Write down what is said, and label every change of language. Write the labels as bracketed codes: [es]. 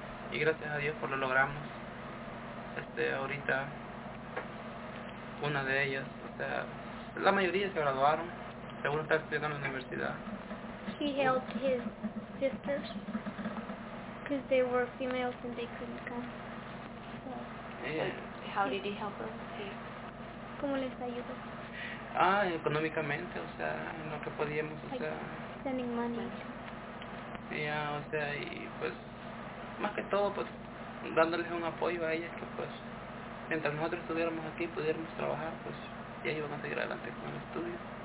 [es] Y gracias a Dios por lo logramos. Ahorita una de ellas, o sea, la mayoría se graduaron, según está estudiando en la universidad. [en] He helped his sisters because they were females and they couldn't come. So. Yeah. How did he help them? [es] ¿Cómo les ayudó? Ah, económicamente, o sea, en lo que podíamos, o sea. [en] Sending money. [es] Ya, o sea, y pues, más que todo, pues, dándoles un apoyo a ellas que, pues, mientras nosotros estuviéramos aquí, pudiéramos trabajar, pues, ya iban a seguir adelante con el estudio.